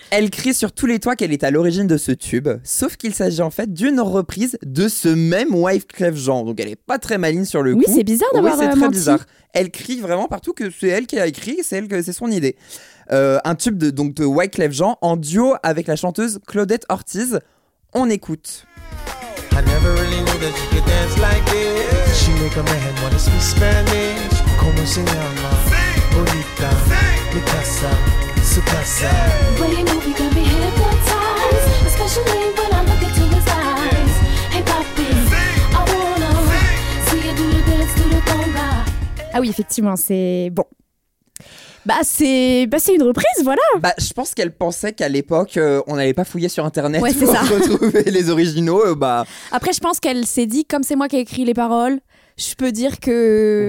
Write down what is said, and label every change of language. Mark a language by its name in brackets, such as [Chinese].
[French] Elle crie sur tous les toits qu'elle est à l'origine de ce tube, sauf qu'il s'agit en fait d'une reprise de ce même Wyclef Clef Jean, donc elle n'est pas très maligne sur le oui, coup. Oui, c'est bizarre d'avoir menti. Oui, c'est très menti. Bizarre. Elle crie vraiment partout que c'est elle qui a écrit, c'est son idée. Un tube de Wyclef Clef Jean en duo avec la chanteuse Claudette Ortiz. On écoute. [English] I never really knew that you could dance like this. She make a man wanna speak Spanish. [Spanish] Como se llama? Bonita. Mi casa. Su casa. [English] When you move, you got me hypnotized. Especially when I look into his eyes. Hey, papi. I wanna see you do the dance, do the conga. [French] Ah oui, effectivement, c'est bon. C'est une reprise, voilà. Je pense qu'elle pensait qu'à l'époque, on n'allait pas fouiller sur Internet pour retrouver les originaux. Après, je pense qu'elle s'est dit, comme c'est moi qui ai écrit les paroles, je peux dire que...